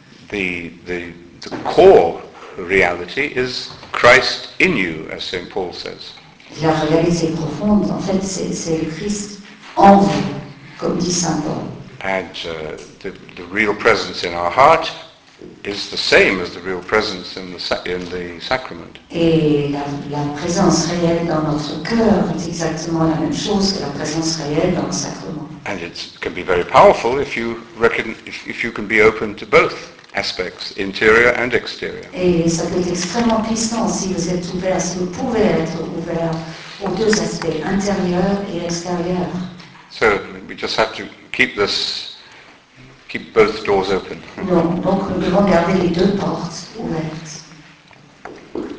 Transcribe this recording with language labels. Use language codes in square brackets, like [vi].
[en] The core reality is Christ in you, as Saint Paul says. [fr] La réalité profonde, en fait, c'est le Christ en vous, comme dit Saint Paul. [en] And the real presence in our heart is the same as the real presence in the sacrament. [fr] Et la présence réelle dans notre cœur est exactement la même chose que la présence réelle dans le sacrement. [en] And it can be very powerful if you can be open to both aspects, interior and exterior. [fr] Et ça peut être extrêmement puissant si vous pouvez être ouvert aux deux aspects, intérieur et extérieur. [en] So we just have to keep both doors open. [fr] Donc nous devons garder les deux portes ouvertes.